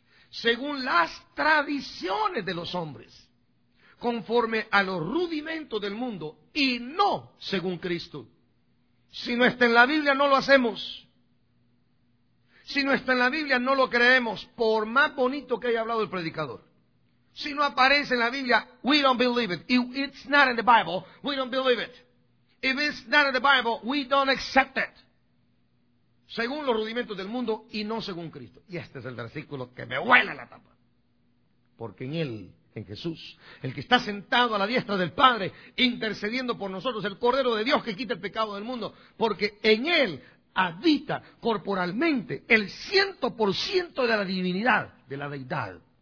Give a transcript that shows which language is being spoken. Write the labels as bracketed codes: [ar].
[es] Según las tradiciones de los hombres, conforme a los rudimentos del mundo, y no según Cristo. Si no está en la Biblia, no lo hacemos. Si no está en la Biblia, no lo creemos, por más bonito que haya hablado el predicador. Si no aparece en la Biblia, [en] we don't believe it. If it's not in the Bible, we don't believe it. If it's not in the Bible, we don't accept it. [es] Según los rudimentos del mundo y no según Cristo. Y este es el versículo que me huele la tapa. Porque en Él, en Jesús, el que está sentado a la diestra del Padre, intercediendo por nosotros, el Cordero de Dios que quita el pecado del mundo, porque en Él habita corporalmente el 100% de la divinidad, de la Deidad.